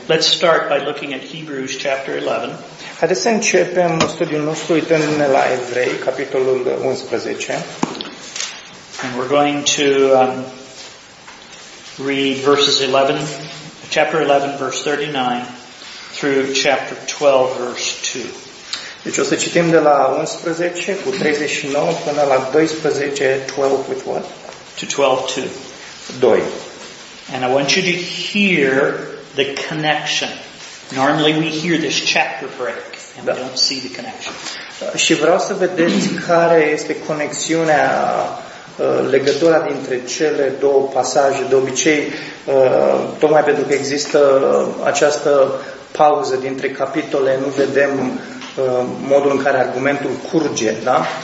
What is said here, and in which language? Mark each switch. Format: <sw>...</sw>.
<en>Let's start by looking at Hebrews chapter 11.</en> <ro>Haideți să începem studiul nostru uitându-ne la Evrei, capitolul 11.</ro> <en>And we're going to read verses 11. Chapter 11, verse 39, through chapter 12, verse 2.</en> <ro>Deci o să citim de la 11 cu 39 până la 12, 12</ro> <en>with what? To 12, 2. 2. And I want you to hear the connection. Normally we hear this chapter break and we don't see the connection.</en> <ro>Și vreau să vedeți care este conexiunea, legătura dintre cele două pasaje. De obicei, tocmai pentru că există această pauză dintre capitole, nu vedem modul în care argumentul curge, da?</ro>